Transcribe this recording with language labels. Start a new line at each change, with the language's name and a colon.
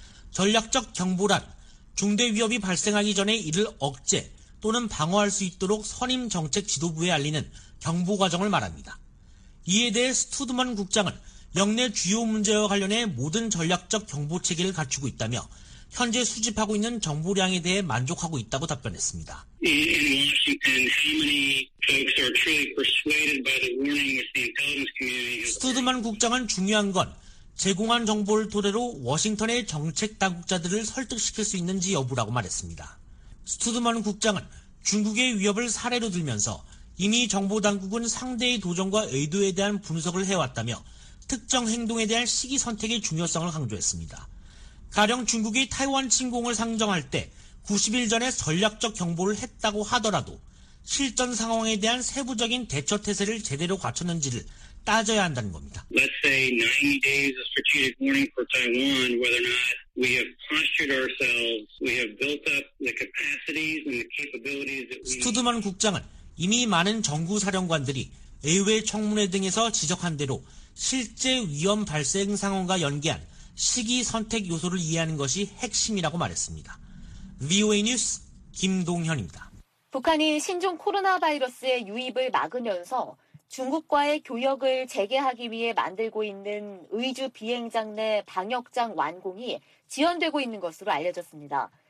Korean: 전략적 경보란 중대 위협이 발생하기 전에 이를 억제 또는 방어할 수 있도록 선임 정책 지도부에 알리는 경보 과정을 말합니다. 이에 대해 스튜드먼 국장은 역내 주요 문제와 관련해 모든 전략적 경보 체계를 갖추고 있다며 현재 수집하고 있는 정보량에 대해 만족하고 있다고 답변했습니다.
English: In Washington, how many folks are truly persuaded by the warning with the intelligence community?
Korean: 스튜드먼 국장은 중요한 건 제공한 정보를 토대로 워싱턴의 정책 당국자들을 설득시킬 수 있는지 여부라고 말했습니다. 스튜드먼 국장은 중국의 위협을 사례로 들면서 이미 정보 당국은 상대의 도전과 의도에 대한 분석을 해왔다며 특정 행동에 대한 시기 선택의 중요성을 강조했습니다. 가령 중국이 타이완 침공을 상정할 때 90일 전에 전략적 경보를 했다고 하더라도 실전 상황에 대한 세부적인 대처 태세를 제대로 갖췄는지를 따져야 한다는 겁니다.
English: Let's say 90 days of strategic warning for Taiwan, whether or not we have postured ourselves, we have built up the capacities and the capabilities that we.
Korean: 스튜드먼 국장은 이미 많은 정구 사령관들이 의회 청문회 등에서 지적한 대로 실제 위험 발생 상황과 연계한 시기 선택 요소를 이해하는 것이 핵심이라고 말했습니다. VOA 뉴스 김동현입니다. 북한이 신종 코로나 바이러스의 유입을 막으면서 중국과의 교역을 재개하기 위해 만들고 있는 의주 비행장 내 방역장 완공이 지연되고 있는 것으로 알려졌습니다.